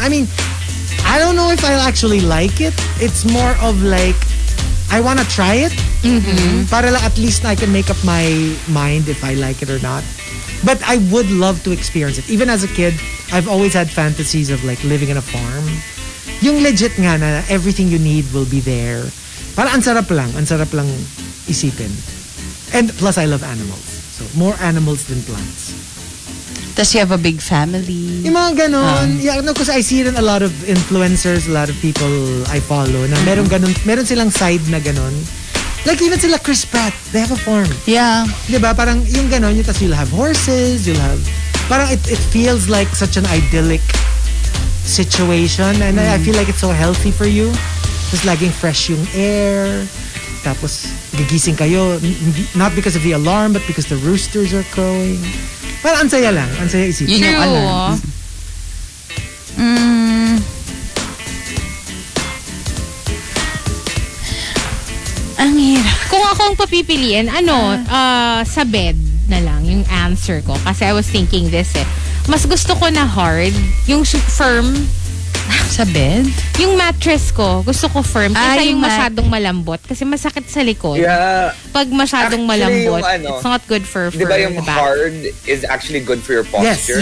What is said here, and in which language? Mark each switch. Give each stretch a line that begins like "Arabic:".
English: I mean, I don't know if I'll actually like it. It's more of like, I want to try it. Mm-hmm. But at least I can make up my mind if I like it or not. But I would love to experience it. Even as a kid, I've always had fantasies of like living in a farm.
Filipino: Yung legit nga na
English: everything you need will be there.
Filipino: Para ang sarap lang isipin.
English: And plus, I love animals. So more animals than plants. Tapos you have a big family.
Filipino: Yung mga ganun.
English: Yeah, no, because I see it in a lot of influencers, a lot of people I follow,
Filipino: na meron ganun, meron silang side na ganun.
English: Like even sila Chris Pratt, they have a farm. Yeah.
Filipino: Diba?
English: Parang yung ganun, yung, tapos you'll have horses, you'll have, parang it feels like such an idyllic situation and I feel like it's so healthy for you.
Filipino: Tapos laging fresh yung air, tapos gigising kayo,
English: not because of the alarm, but because the roosters are crowing.
Filipino: Well, ang saya lang. Ang saya isip.
English: True.
Filipino: Ang hirap. Kung ako ang papipiliin, ano, sa bed na lang yung answer ko.
English: Kasi I was thinking this eh.
Filipino: Mas gusto ko na hard, yung firm. Sa bed? Yung mattress ko, gusto ko firm. Kasi yung masyadong malambot. Kasi masakit sa likod.
English: Yeah.
Filipino: Pag masyadong
English: actually,
Filipino: malambot, ano,
English: it's not good for the back. Di ba yung hard is actually good for your posture?